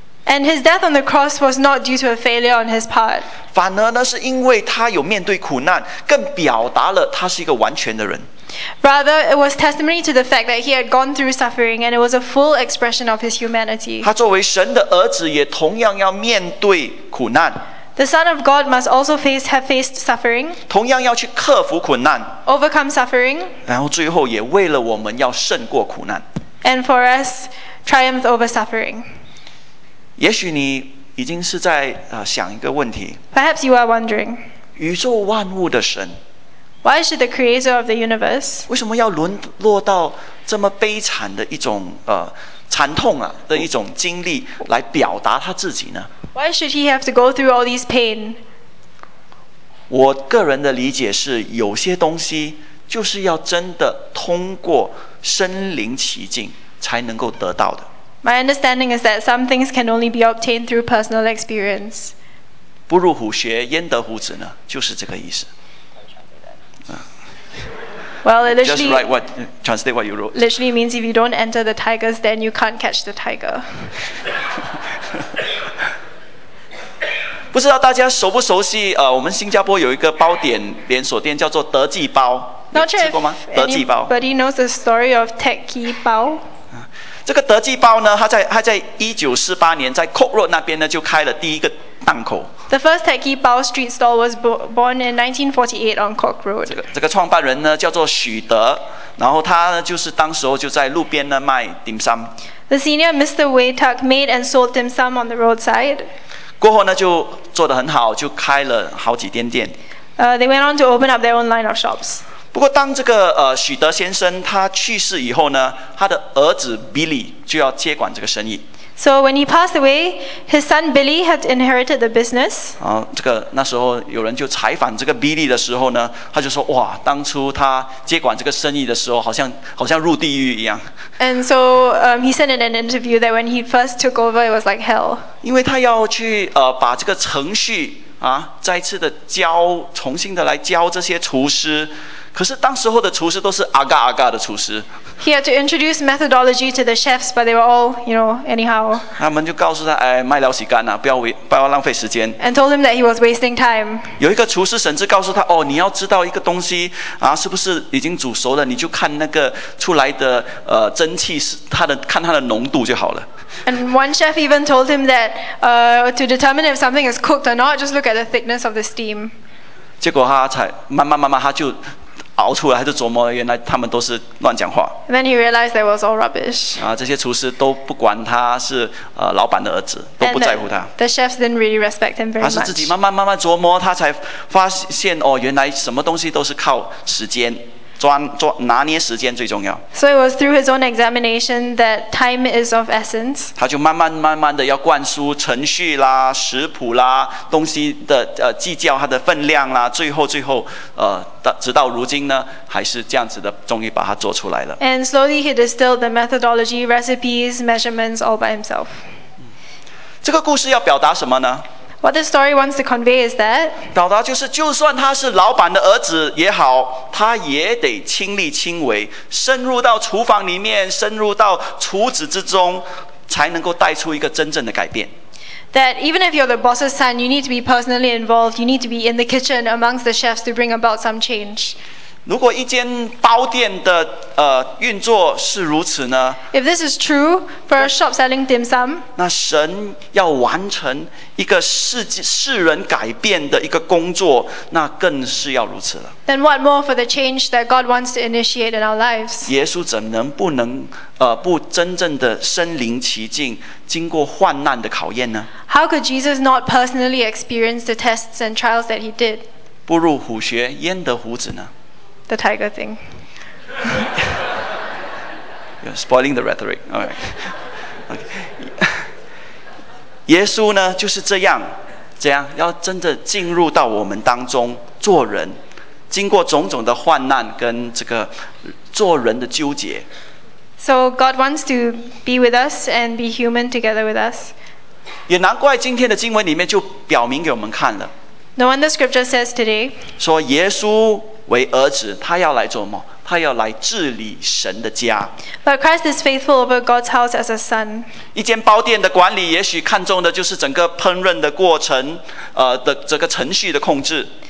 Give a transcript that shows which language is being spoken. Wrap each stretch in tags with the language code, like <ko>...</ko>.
<en>And his death on the cross was not due to a failure on his part.</en> <zh>反而呢，是因为他有面对苦难，更表达了他是一个完全的人。</zh> <en>Rather, it was testimony to the fact that he had gone through suffering, and it was a full expression of his humanity.</en> <zh>他作为神的儿子，也同样要面对苦难。</zh> <en>The Son of God must also have faced suffering.</en> <zh>同样要去克服苦难。</zh> <en>Overcome suffering.</en> <zh>然后最后也为了我们要胜过苦难。</zh> <en>And for us, triumph over suffering.</en> <zh>也许你已经是在想一个问题。</zh> <en>Perhaps you are wondering.</en> <zh>宇宙万物的神。</zh> <en>Why should the creator of the universe?</en> <zh>为什么要沦落到这么悲惨的一种惨痛啊的一种经历来表达他自己呢？</zh> <en>Why should he have to go through all these pain?</en> <zh>我个人的理解是，有些东西就是要真的通过身临其境才能够得到的。</zh> <en>My understanding is that some things can only be obtained through personal experience.</en> <zh>不入虎穴焉得虎子呢？就是这个意思。</zh> <en>Well, it literally, just write what, translate what you wrote. Literally means if you don't enter the tigers, then you can't catch the tiger.</en> <zh>不知道大家熟不熟悉我们新加坡有一个包点连锁店叫做德记包，吃过吗？德记包。</zh> <en>Anybody knows the story of Techie 包？</en> <zh>这个德记包呢，它在1948年在 Cook Road 那边呢就开了第一个档口。</zh> <en>The first Techie Bao street stall was born in 1948 on Cook Road.</en> <zh>这个创办人呢叫做许德，然后他呢就是当时候就在路边呢卖 dim sum.</zh> <en>The senior Mr. Wei Tuck made and sold dim sum on the roadside.</en> <zh>过后呢就做得很好，就开了好几间店。</zh> <en>They went on to open up their own line of shops.</en> <zh>不过当这个许德先生他去世以后呢，他的儿子 Billy 就要接管这个生意。</zh> <en>So when he passed away, his son Billy had inherited the business.</en> <zh>这个那时候有人就采访这个 Billy 的时候呢，他就说：“哇，当初他接管这个生意的时候，好像入地狱一样。”</zh> <en>And so, he said in an interview that when he first took over, it was like hell.</en> <zh>因为他要去把这个程序啊，再次的教，重新的来教这些厨师。可是当时候的厨师都是阿嘎阿嘎的厨师。</zh> <en>He had to introduce methodology to the chefs, but they were all, you know, anyhow.</en> <zh>他们就告诉他，哎，卖了洗干了，不要浪费时间。</zh> <en>And told him that he was wasting time.</en> <zh>有一个厨师甚至告诉他，哦，你要知道一个东西啊，是不是已经煮熟了，你就看那个出来的蒸汽是它的，看它的浓度就好了。</zh> <en>And one chef even told him that, to determine if something is cooked or not, just look at the thickness of the steam.</en> <zh>结果他才慢慢他就。熬出来，他就琢磨，原来他们都是乱讲话。</zh> <en>Then he realized that was all rubbish.</en> <zh>这些厨师都不管他是老板的儿子，都不在乎他。</zh> <en>The chefs didn't really respect him very much.</en> <zh>他是自己慢慢琢磨，他才发现哦，原来什么东西都是靠时间，拿捏时间最重要。</zh> <en>So it was through his own examination that time is of essence.</en> <zh>他就慢慢的要灌输程序啦、食谱啦、东西的计较它的分量啦，最后。直到如今呢，还是这样子的，终于把它做出来了。</zh> <en>And slowly he distilled the methodology, recipes, measurements all by himself.</en> <zh>这个故事要表达什么呢？</zh> <en>What the story wants to convey is that</en> <zh>表达就是，就算他是老板的儿子也好，他也得亲力亲为，深入到厨房里面，深入到厨子之中，才能够带出一个真正的改变。</zh> <en>That even if you're the boss's son, you need to be personally involved. You need to be in the kitchen amongst the chefs to bring about some change.</en> <zh>如果一间包店的运作是如此呢？</zh> <en>If this is true for a shop selling dim sum,</en> <zh>那神要完成一个世人改变的一个工作，那更是要如此了。</zh> <en>Then what more for the change that God wants to initiate in our lives?</en> <zh>耶稣怎能不能不真正的身临其境，经过患难的考验呢？</zh> <en>How could Jesus not personally experience the tests and trials that he did?</en> <zh>不入虎穴，焉得虎子呢？</zh> <en>The tiger thing. You're spoiling the rhetoric. All right. Okay.</en> <zh>耶稣呢，就是这样，这样要真的进入到我们当中做人，经过种种的患难跟这个做人的纠结。</zh> <en>So God wants to be with us and be human together with us.</en> <zh>也难怪今天的经文里面就表明给我们看了。</zh> <en>No wonder Scripture says today.</en> <zh>说耶稣。为儿子，他要来做什么？他要来治理神的家。</zh> <en>But Christ is faithful over God's house as a son.</en> <zh>一间包店的管理，也许看重的就是整个烹饪的过程，的这个程序的控制。</zh>